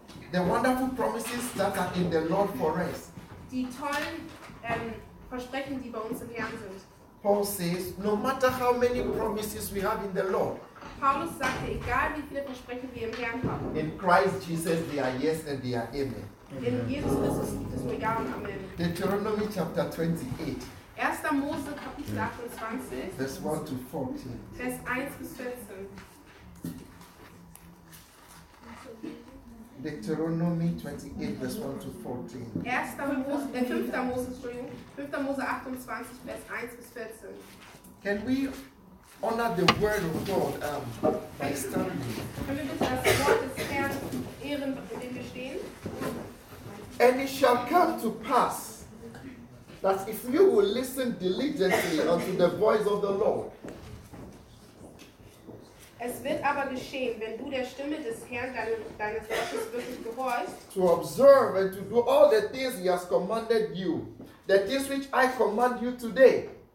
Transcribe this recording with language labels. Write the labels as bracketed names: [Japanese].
[English] The wonderful promises that are in the Lord for us. [German] Die tollen Versprechen, die bei uns im Herrn sind. [English] Paul says, no matter how many promises we have in the Lord. [German] Paulus sagte, egal wie viele Versprechen wir im Herrn haben. [English] In Christ Jesus, they are yes and they are amen. [German] In Jesus Christus gibt es nur ja und amen. [English] Deuteronomy chapter 28. [German] 1. Mose Kapitel 28. [English] Vers 1 to 14. [German] Vers 1 bis 14. [English] Deuteronomy 28, verse 1 to 14. [German] 5. Mose 28, verse 1 to 14. [English] Can we honor the word of God by standing? [German] Können wir das Wort des Herrn ehren, indem wir stehen? [English] And it shall come to pass that if you will listen diligently unto the voice of the Lord. [German] Es wird aber geschehen, wenn du der Stimme des Herrn deines Gottes wirklich gehorchst. [English] To observe and to do all the things he has commanded you. The things which I command you today.